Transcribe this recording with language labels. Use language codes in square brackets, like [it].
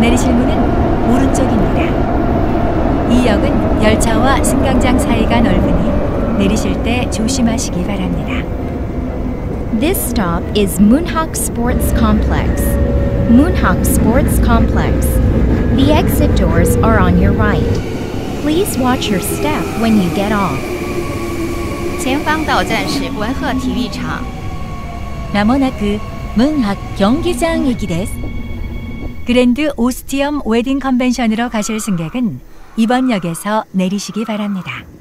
[ko] 내리실 문은 오른쪽입니다. 이 역은 열차와 승강장 사이가 넓으니 내리실 때 조심하시기 바랍니다. [en] This stop is Munhak Sports Complex. Munhak Sports Complex. The exit doors are on your right. Please watch your step when you get off. [zh] 前方到站是 文鹤体育场. [ja] 나머나크 문학 경기장이기데스. [ko] 그랜드 오스티엄 웨딩 컨벤션으로 가실 승객은 이번 역에서 내리시기 바랍니다.